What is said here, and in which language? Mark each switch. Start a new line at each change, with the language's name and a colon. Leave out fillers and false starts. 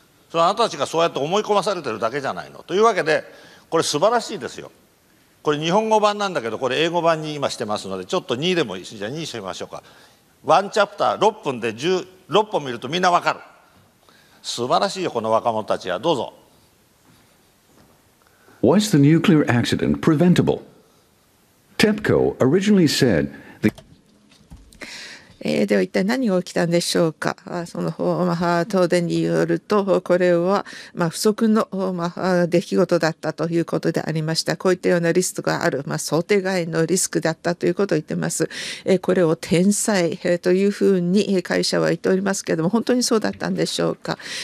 Japanese: それはあなたたちがそうやって思い込まされてるだけじゃないの。というわけでこれ素晴らしいですよ。これ日本語版なんだけど、これ英語版に今してますので、ちょっと2でもいい、じゃあ2にしてみましょうか。ワンチャプター6分で16本見るとみんなわかる。素晴らしいよ、この若者たちは。どうぞ。
English: Was the nuclear accident preventable? TEPCO originally said the...
Japanese: では一体何が起きたんでしょうか。その東電によるとこれは不測の出来事だったということでありました。こういったようなリスクがある、想定外のリスクだったということを言ってます。これを天災というふうに会社は言っておりますけれども、本当にそうだったんでしょうか。